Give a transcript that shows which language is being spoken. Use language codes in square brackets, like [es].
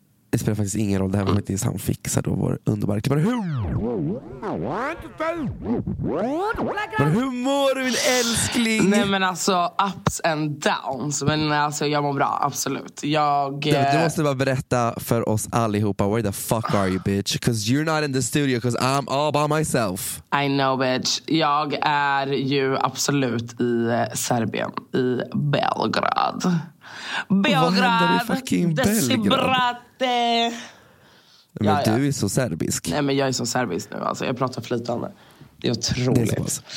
[sv] Det spelar faktiskt ingen roll. Det här var inte ens han fixar då vår underbara klippare. Hur mår du, min älskling? Nej, men alltså, [en] ups and downs. [sv] Men alltså, jag mår bra, absolut. Jag... Du måste bara berätta för oss allihopa. [en] Where the fuck are you, bitch? Because you're not in the studio, because I'm all by myself. I know, bitch. [sv] Jag är ju absolut i Serbien, i Belgrad. Belgrad, Desibrate. Men ja, du är så serbisk. Nej, men jag är så serbisk nu, alltså. Jag pratar flytande. Det är otroligt.